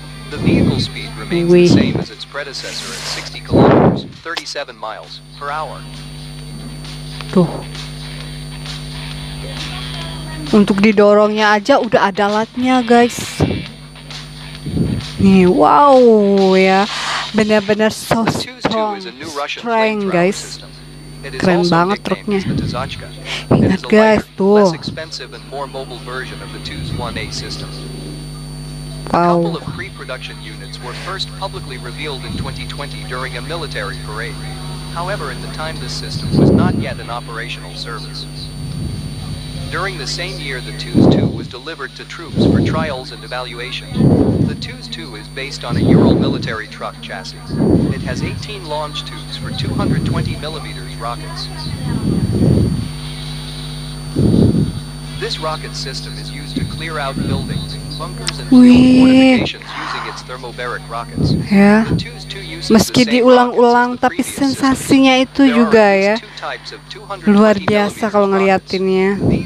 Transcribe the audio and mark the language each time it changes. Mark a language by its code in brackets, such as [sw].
[en] The vehicle speed remains the same as its predecessor at 60 kilometers, 37 miles per hour. [id] Tuh. Untuk didorongnya aja udah ada alatnya, guys. Nih, wow ya. Benar-benar [en] so strong, strength, [id] guys. Keren banget truknya. Ingat guys, tuh. Wow. [en] Production units were first publicly revealed in 2020 during a military parade. However, at the time this system was not yet in operational service. During the same year the TUS-2 was delivered to troops for trials and evaluation. The TUS-2 is based on a Ural military truck chassis. It has 18 launch tubes for 220mm rockets. This rocket system is used to clear out buildings, bunkers, and fortifications using its thermobaric rockets. Yeah. [id] Meski diulang-ulang, tapi sensasinya itu juga ya luar biasa kalau ngeliatinnya.